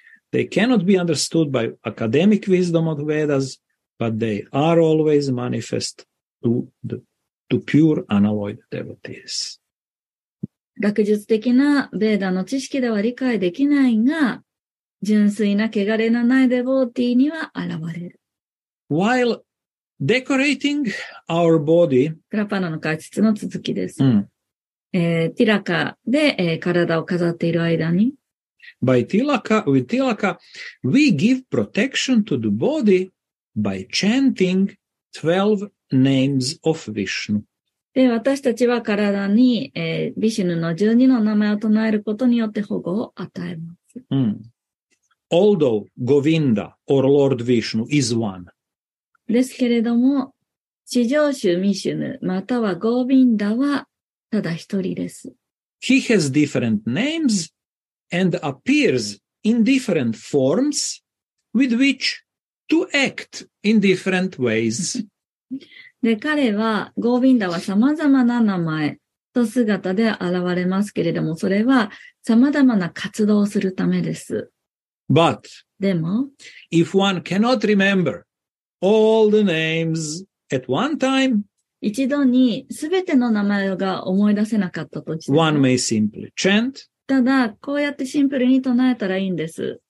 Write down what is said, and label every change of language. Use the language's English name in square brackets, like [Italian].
[English] They cannot be understood by academic wisdom of Vedas, but they are always manifest to pure unalloyed devotees. [Japanese] 学術的なベーダの知識では理解できないが、純粋な汚れのないデボーティーには現れる。 [English] While decorating our body, [Japanese] プラパナの解説の続きです。うん、ティラカで、体を飾っている間に、 [English] With tilaka, we give protection to the body by chanting 12 names of Vishnu. [Japanese] で、私たちは体に、ビシュヌの十二の名前を唱えることによって保護を与えます。 [English] うん。Although Govinda or Lord Vishnu is one. [Japanese] ですけれども、地上州ミシュヌまたはゴービンダはただ一人です。 [English] He has different names and appears in different forms with which to act in different ways. [Japanese] で、彼は、ゴービンダは様々な名前と姿で現れますけれども、それは様々な活動をするためです。 [English] But, [Japanese] でも、 [English] if one cannot remember all the names at one time, [Japanese] 一度に全ての名前が思い出せなかったとして、 [English] one may simply chant, [Japanese] ただ、こうやってシンプルに唱えたらいいんです。